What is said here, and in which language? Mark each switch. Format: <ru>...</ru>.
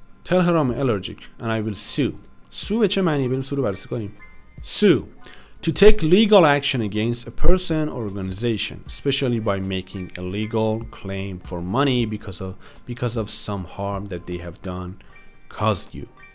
<en>Tell her I'm allergic and I will sue.</en> <fa>Sue به چه معنی؟ بریم سو رو بررسی کنیم.</fa> <en>Sue: to take legal action against a person or organization, especially by making a legal claim for money because of some harm that they have done caused you.</en>